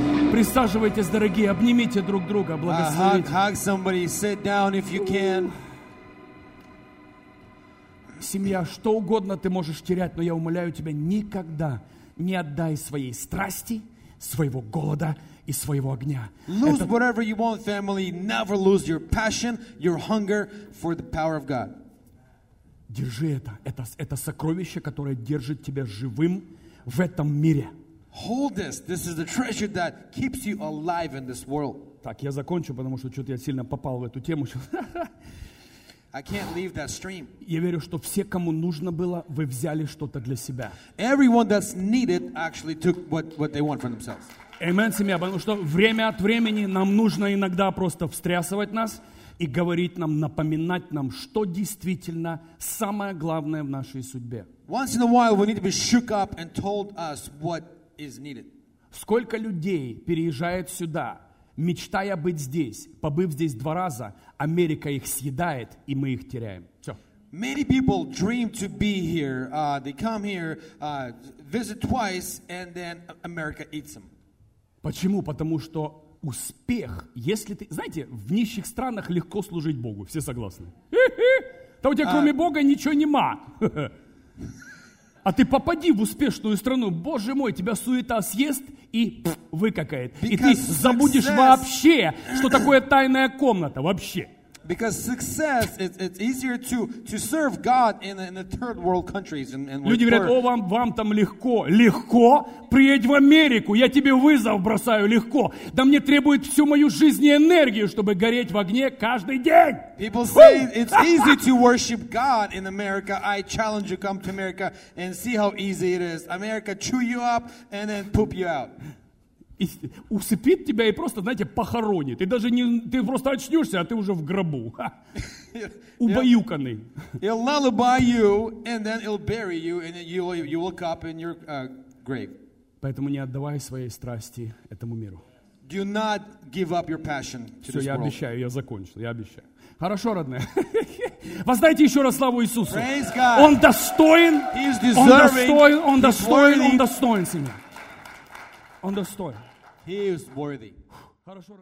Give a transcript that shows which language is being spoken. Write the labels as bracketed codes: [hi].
[ru] Присаживайтесь, дорогие. Обнимите друг друга. Благословите. [en] Hug somebody. Sit down if you can. [ru] Семья, что угодно ты можешь терять, но я умоляю тебя, никогда не отдай своей страсти, своего голода и своего огня. [en] Lose whatever you want, family. Never lose your passion, your hunger for the power of God. [ru] Держи это. Это сокровище, которое держит тебя живым в этом мире. [en] Hold this. This is the treasure that keeps you alive in this world. [ru] Так, я закончу, потому что что-то я сильно попал в эту тему. [en] I can't leave that stream. [ru] Я верю, что все, кому нужно было, вы взяли что-то для себя. [en] Everyone that's needed actually took what they want for themselves. [ru] Amen, семья, потому что время от времени нам нужно иногда просто встрясывать нас и говорить нам, напоминать нам, что действительно самое главное в нашей судьбе. [en] Once in a while we need to be shook up and told us what is needed. [ru] Сколько людей переезжает сюда, мечтая быть здесь, побыв здесь два раза, Америка их съедает, и мы их теряем. Все. [en] Many people dream to be here. They come here, visit twice, and then America eats them. [ru] Почему? Потому что успех, если ты... Знаете, в нищих странах легко служить Богу. Все согласны? Да у тебя кроме Бога ничего нема. А ты попади в успешную страну, Боже мой, тебя суета съест и выкакает. И ты забудешь вообще, что такое тайная комната. Вообще. [en] Because success, it's easier to serve God in the third world countries. [ru] Люди говорят, о, вам там легко. Легко? Приедь в Америку, я тебе вызов бросаю, легко. Да мне требует всю мою жизнь и энергию, чтобы гореть в огне каждый день. [en] People say it's easy to worship God in America. I challenge you, come to America and see how easy it is. America chew you up and then poop you out. [ru] И усыпит тебя и просто, знаете, похоронит. И даже не, ты просто очнешься, а ты уже в гробу. Убаюканный. [en] He'll lullaby you, and then he'll bury you, and then you will wake up in your grave. [ru] Поэтому не отдавай своей страсти этому миру. [en] Do not give up your passion to [ru] Все, [en] this world. [ru] Я обещаю, я закончил, я обещаю. Хорошо, родные. Воздайте еще раз славу Иисусу. [en] Praise God. [ru] Он достоин. [en] He is deserving. [ru] Он достоин, он достоин, он достоин, семья. Он достоин. [en] He is worthy. [ru] Хорошо.